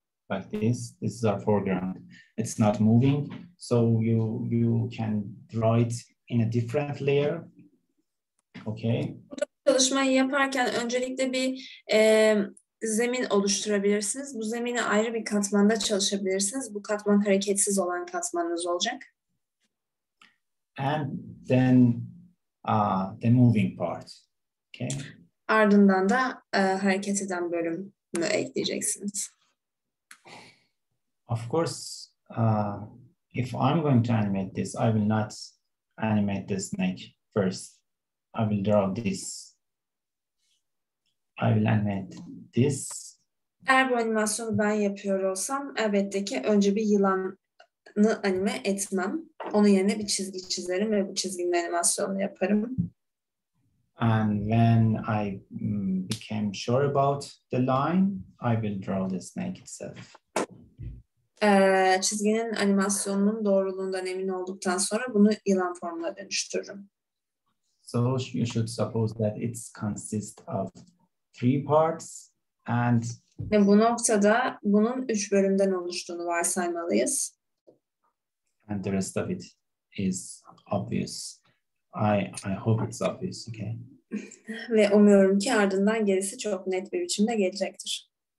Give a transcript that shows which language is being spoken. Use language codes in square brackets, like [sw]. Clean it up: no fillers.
[en] Like this. This is our foreground. It's not moving, so you can draw it in a different layer. Okay. [tr] Çalışmayı yaparken öncelikle bir zemin oluşturabilirsiniz. Bu zemini ayrı bir katmanda çalışabilirsiniz. Bu katman hareketsiz olan katmanınız olacak. [en] And then the moving part. Okay. [tr] Ardından da hareket eden bölümü ekleyeceksiniz. [en] Of course, if I'm going to animate this, I will not animate the snake first. I will draw this. I will animate this. [tr] Eğer bu animasyonu ben yapıyor olsam, elbette ki önce bir yılanı anime etmem. Onun yerine bir çizgi çizerim ve bu çizginin animasyonunu yaparım. [en] And when I became sure about the line, I will draw the snake itself. [tr] Çizginin animasyonunun doğruluğundan emin olduktan sonra bunu yılan formuna dönüştürürüm. [en] So you should suppose that it consists of three parts and [tr] ve bu noktada bunun üç bölümden oluştuğunu varsaymalıyız. [en] And the rest of it is obvious. I hope it's obvious, okay? [tr] Ve umuyorum ki ardından gerisi çok net bir biçimde gelecektir.